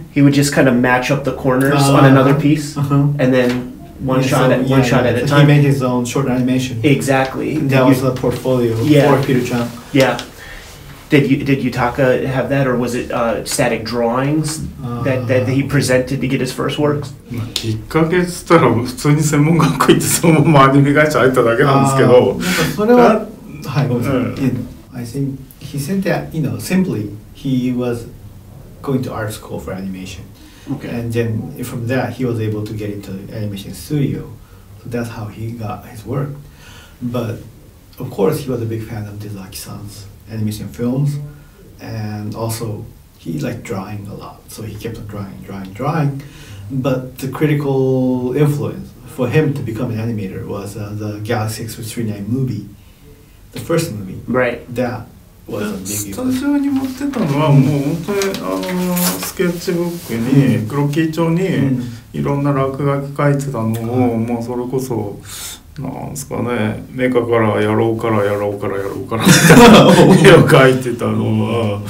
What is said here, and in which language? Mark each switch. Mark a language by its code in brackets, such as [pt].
[en] He would just kind of match up the corners on another piece, and then one shot at a time. He made his own short animation. Exactly. That was the portfolio for Peter Chung. Yeah. Did Yutaka have that, or was it static drawings that he presented to get his first works? [ja] きっかけっつったら普通に専門学校行ってそのままアニメ会社入っただけなんですけど。それは、はい、 [en] I think he said that, you know, simply he was going to art school for animation. Okay. And then from that, he was able to get into the animation studio. So that's how he got his work. But of course, he was a big fan of Dezaki-san's animation films. And also, he liked drawing a lot. So he kept on drawing. But the critical influence for him to become an animator was the Galaxy 639 movie. The first movie. Right. That was a big deal. [ja] スタジオに持ってたのは、もう本当にスケッチブックに、クロッキー帳にいろんな落書き書いてたのを、もうそれこそ、なんすかね、メカからやろうからって絵を書いてたのは。